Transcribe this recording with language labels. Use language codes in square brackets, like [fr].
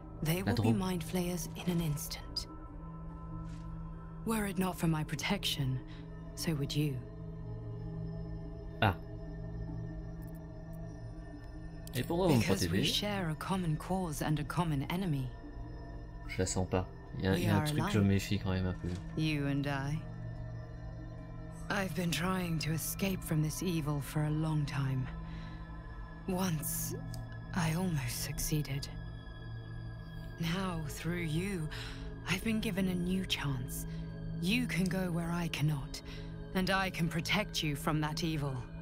[en] They will be mind flayers in an instant. Were it not for my protection, so would you. Ah. [fr] Et pourquoi vous me protégez? [en] Because we share a common cause and a common enemy. [fr] Je la sens pas. Il y a un truc que je méfie quand même un peu. [en] You and I. I've been trying to escape from this evil for a long time. Once, I almost succeeded. Now, through you, I've been given a new chance. You can go where I cannot, and I can protect you from that evil.